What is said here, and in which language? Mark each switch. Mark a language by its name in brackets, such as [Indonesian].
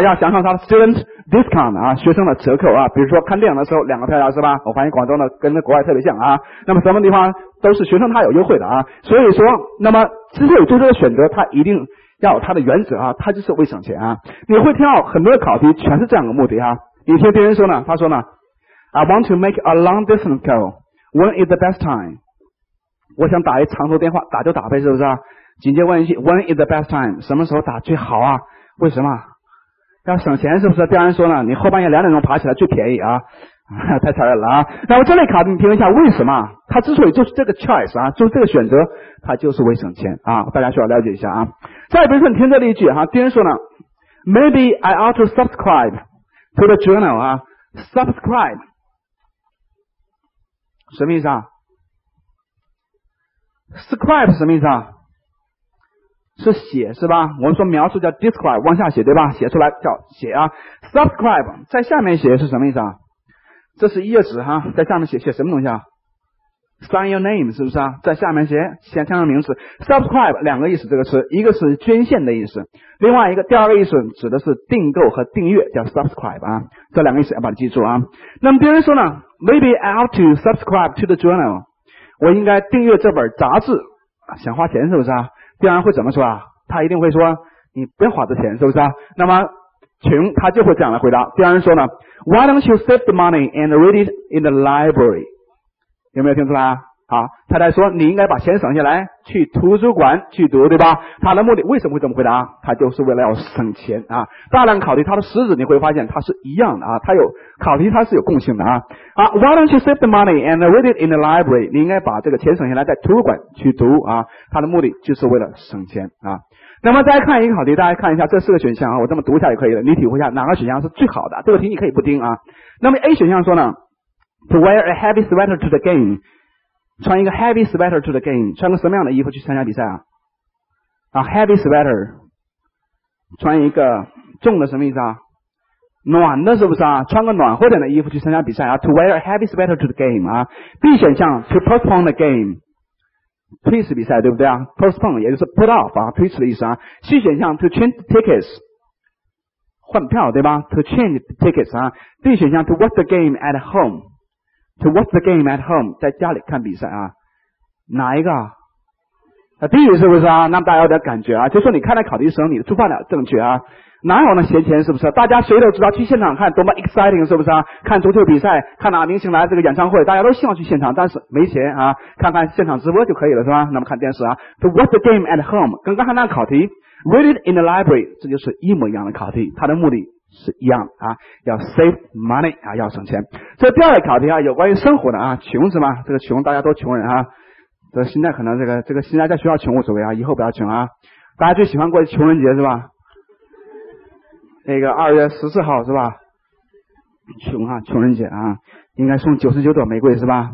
[Chinese] 要享受他的 student discount 啊，学生的折扣啊。比如说看电影的时候，两个票价，是吧？我发现广州呢跟国外特别像啊。那么什么地方都是学生他有优惠的啊。所以说，那么之所以做这个选择，他一定要有他的原则啊，他就是为省钱啊。你会听到很多的考题全是这样的目的啊。你听别人说呢，他说呢， [English] I want to make a long distance call. When is the best time? [Chinese] 我想打一长途电话，打就打呗，是不是啊？ [English] 紧接问一句 ,When is the best time? [Chinese] 什么时候打最好啊？为什么？要省钱，是不是？第二人说呢，你后半夜两点钟爬起来最便宜啊。太残忍了啊。那么这类考题你听一下，为什么他之所以就是这个 choice 啊，就是这个选择，他就是为省钱啊，大家需要了解一下啊。 [English] 再比如说你听这一句啊， [Chinese] 第二人说呢， [English] Maybe I ought to subscribe to the journal 啊， subscribe. [Chinese] 什么意思啊？ Scribe 什么意思啊？是写，是吧？我们说描述叫 describe， 往下写，对吧？写出来叫写啊。 Subscribe 在下面写是什么意思啊？这是页纸哈，在下面写写什么东西啊？ [English] Sign your name [Chinese] 是不是啊？在下面写写上名字。 Subscribe 两个意思，这个词一个是捐献的意思，另外一个第二个意思指的是订购和订阅，叫 subscribe 啊。这两个意思要把它记住啊。那么别人说呢， [English] Maybe I ought to subscribe to the journal. [Chinese] 我应该订阅这本杂志，想花钱，是不是啊？第二人会怎么说啊？他一定会说，你不要花这钱，是不是啊？那么穷他就会这样来回答。 [English] 第二人说呢， Why don't you save the money and read it in the library? [Chinese] 有没有听出来啊？啊，太太说你应该把钱省下来去图书馆去读，对吧？他的目的为什么会这么回答？他就是为了要省钱啊。大量考题他的实质你会发现他是一样的啊，他有考题他是有共性的啊。 [English] 啊 ，Why don't you save the money and read it in the library？ [Chinese] 你应该把这个钱省下来在图书馆去读啊。他的目的就是为了省钱啊。那么再看一个考题，大家看一下这四个选项啊，我这么读一下就可以了，你体会一下哪个选项是最好的。这个题你可以不盯啊。 [English] 那么 A 选项说呢 ，To wear a heavy sweater to the game。 [Chinese] 穿一个 [English] heavy sweater to the game， [Chinese] 穿个什么样的衣服去参加比赛啊？啊 ，heavy sweater， 穿一个重的什么意思啊？暖的是不是啊？穿个暖和点的衣服去参加比赛啊 ？ [English] To wear a heavy sweater to the game [Chinese] 啊 ？B 选项 [English] to postpone the game， [Chinese] push 比赛对不对啊 ？Postpone 也就是 put off 啊 ，push 的意思啊。 [English] C 选项 to change tickets， [Chinese] 换票对吧 [English] ？To change tickets 啊。 D 选项 to watch the game at home。 To watch the game at home， [Chinese] 在家里看比赛啊，哪一个？啊 ，D 是不是啊？那么大家有点感觉啊，就说你看来考题的时候，你的出发点正确啊，哪有那闲钱是不是？大家谁都知道去现场看多么 exciting 是不是啊？看足球比赛，看哪明星来这个演唱会，大家都希望去现场，但是没钱啊，看看现场直播就可以了是吧？那么看电视啊。 [English] To watch the game at home， 跟刚才那考题 ，read it in the library， [Chinese] 这就是一模一样的考题，它的目的。是一样啊，要 save money 啊，要省钱。这第二个考题啊，有关于生活的啊，穷是吗？这个穷大家都穷人啊，这现在可能这个现在在学校穷无所谓啊，以后不要穷啊。大家最喜欢过穷人节是吧？那个二月十四号是吧？穷啊，穷人节啊，应该送九十九朵玫瑰是吧？